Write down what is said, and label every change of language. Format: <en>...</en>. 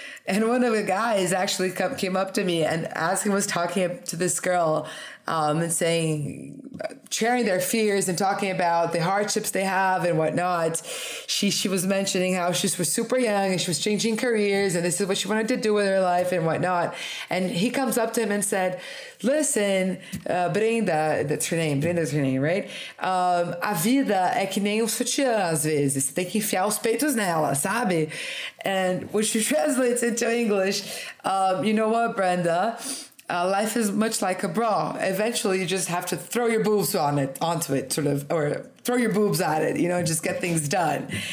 <en>And one of the guys actually came up to me and as he was talking to this girl and saying, sharing their fears and talking about the hardships they have and whatnot, she was mentioning how she was super young and she was changing careers and this is what she wanted to do with her life and whatnot. And he comes up to him and said, listen, Brenda's her name, right?</en> <pt>A vida é que nem um sutiã às vezes. Tem que enfiar os peitos nela, sabe?</pt> <en>And which she translates into English, you know what, Brenda? Life is much like a bra. Eventually, you just have to throw your boobs onto it, sort of, or throw your boobs at it, you know, and just get things done.</en>